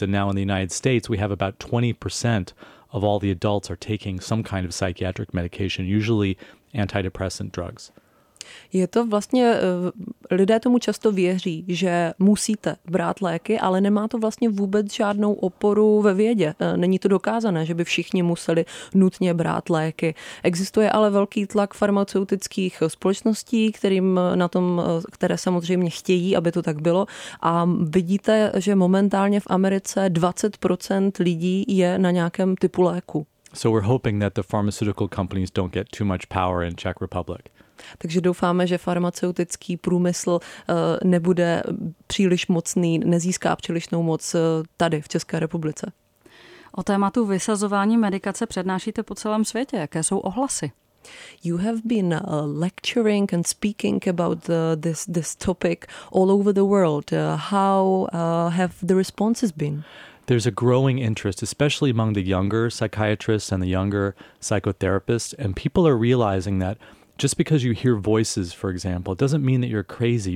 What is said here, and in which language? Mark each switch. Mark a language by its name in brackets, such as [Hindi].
[English] And now in the United States, we have about 20% of all the adults are taking some kind of psychiatric medication, usually antidepressant drugs. [Czech] Je to vlastně, lidé tomu často věří, že musíte brát léky, ale nemá to vlastně vůbec žádnou oporu ve vědě. Není to dokázané, že by všichni museli nutně brát léky. Existuje ale velký tlak farmaceutických společností, které samozřejmě chtějí, aby to tak bylo. A vidíte, že momentálně v Americe 20% lidí je na nějakém typu léku. [English] So we're hoping that the pharmaceutical companies don't get too much power in Czech Republic. [Czech] Takže doufáme, že farmaceutický průmysl nebude příliš mocný, nezíská přílišnou moc tady v České republice. O tématu vysazování medikace přednášíte po celém světě. Jaké jsou ohlasy? [English] You have been lecturing and speaking about this topic all over the world. How have the responses been? There's a growing interest, especially among the younger psychiatrists and the younger psychotherapists, and people are realizing that just because you hear voices, for example, doesn't mean that you're crazy.